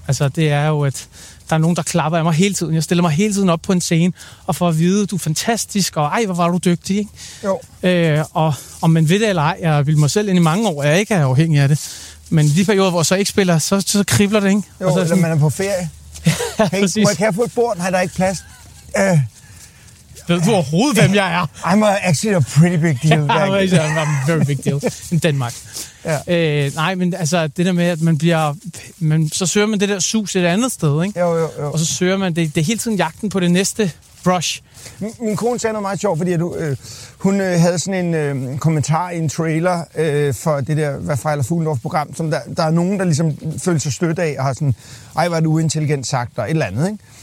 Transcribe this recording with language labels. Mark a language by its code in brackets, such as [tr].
[da] Altså, det er jo, at der er nogen, der klapper af mig hele tiden. Jeg stiller mig hele tiden op på en scene, og får at vide, du er fantastisk, og ej, hvor var du dygtig, ikke? Jo. Og om man ved det eller ej, jeg vil mig selv ind i mange år, jeg ikke er afhængig af det. Men lige perioder, hvor jeg så ikke spiller, så kribler det, ikke? Jo, og så, eller man er på ferie. Ja, hey, må jeg ikke få et bord? Har der ikke plads? Ved du overhovedet, hvem jeg er? [en] I'm actually a pretty big deal. I'm a very big deal in Denmark. Yeah. [da] Nej, men altså det der med, at man bliver, man, så søger man det der sus et andet sted, ikke? Jo. Og så søger man det hele tiden jagten på det næste brush. Min kone sagde noget meget sjovt, fordi hun havde sådan en kommentar i en trailer for det der Hvad fejler Fuglendorf-program, som der er nogen, der ligesom føler sig stødt af og har sådan, ej, hvor er det uintelligent sagt, og et eller andet, ikke?